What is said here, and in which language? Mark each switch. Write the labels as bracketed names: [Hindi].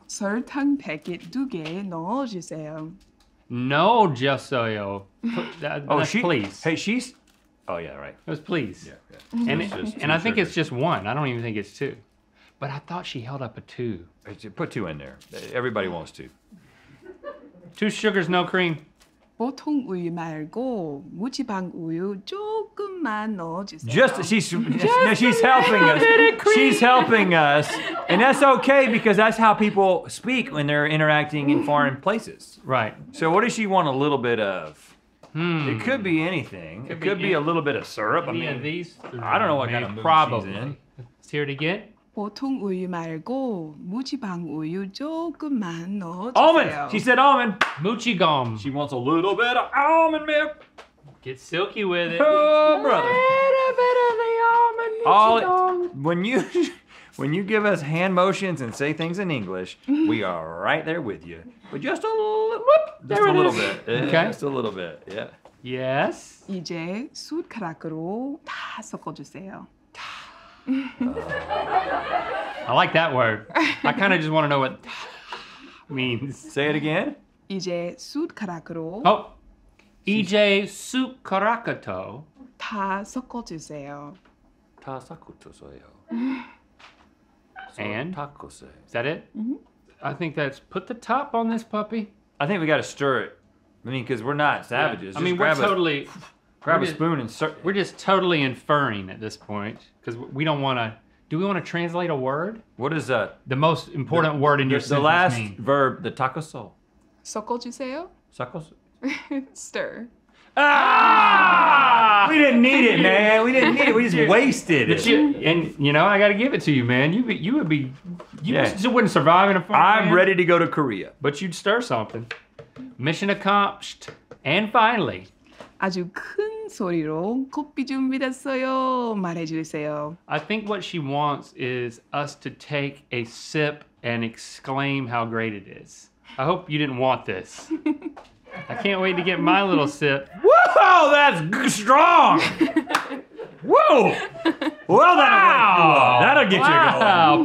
[Korean] 설탕 packet 두 개 넣어주세요. 넣어주세요. [English] Please. Hey, she's. Oh yeah, right. It was please. Yeah. And I think it's just one. I don't even think it's two. But I thought she held up a two. Put two in there. Everybody wants two. Two sugars, no cream. [Korean] 보통 우유 말고 무지방 우유 조금만 넣어주세요. [English] She's helping us. She's helping us. And that's okay because that's how people speak when they're interacting in foreign places. Right. So what does she want a little bit of? Hmm. It could be anything. It could be a little bit of syrup. Any I mean, of these? I don't know what kind of problem she's in. Let's hear it again. [Korean] 보통 우유 말고 무지방 우유 조금만 넣어주세요. [English] Almond! She said almond! [Korean] Muchigom. [English] She wants a little bit of almond milk. Get silky with it. Oh, brother. A little bit of the almond muchigom. When you give us hand motions and say things in English, we are right there with you. But just a little bit. Okay. Just a little bit, yeah. Yes. [Korean] 이제 숟가락으로 다 섞어주세요. 다. [English] I like that word. I kind of just want to know what means. Say it again. [Korean] 이제 숟가락으로. Oh. 이제 숟가락으로 다 섞어주세요. 다 섞어주세요. [English] And? [Korean] 섞어주세요. [English] Is that it? Mm-hmm. I think that's put the top on this puppy. I think we got to stir it. I mean, because we're not savages. Yeah. I mean, just we're totally. Grab a spoon and stir. We're just totally inferring at this point because we don't want to. Do we want to translate a word? What is the most important word in your sentence? The last mean? Verb, the takoso. [Korean] Sokojuseo? Sokojuseo. [English] Stir. Ah! We didn't need it, man. We didn't need it. We just wasted it. And you know, I got to give it to you, man. You wouldn't survive in a farm. I'm ready to go to Korea. But you'd stir something. Mission accomplished. And finally. [Korean] 아주 큰 소리로 커피 준비됐어요. 말해주세요. [English] I think what she wants is us to take a sip and exclaim how great it is. I hope you didn't want this. I can't wait to get my little sip. Woo! That's strong! Woo! Well, that'll get you going.